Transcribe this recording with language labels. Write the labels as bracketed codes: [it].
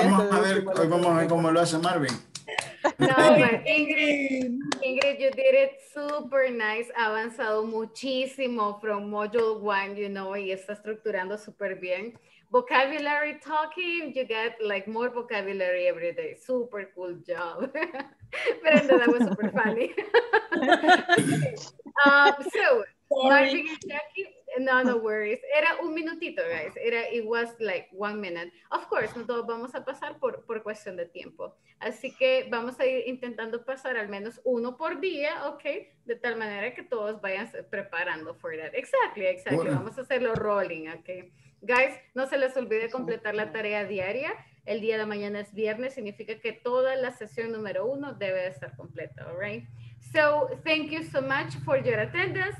[es] Hoy vamos a ver cómo lo hace Marvin. [en] No, but Ingrid, you did it super nice. [es] Ha avanzado muchísimo [en] from module one, you know, [es] y está estructurando super bien. [en] Vocabulary talking, you get like more vocabulary every day. Super cool job. [es] Pero no, [en] that was super funny. Marvin and Jackie, no worries. [es] Era un minutito, [en] guys. It was like 1 minute. [es] Of course, no todos vamos a pasar por cuestión de tiempo. Así que vamos a ir intentando pasar al menos uno por día, okay? De tal manera que todos vayan preparando [en] for that. Exactly. [es] Bueno. Vamos a hacerlo rolling, okay? Guys, no se les olvide completar la tarea diaria. El día de mañana es viernes, significa que toda la sesión número uno debe estar completa, [en] all right? So, thank you so much for your attendance.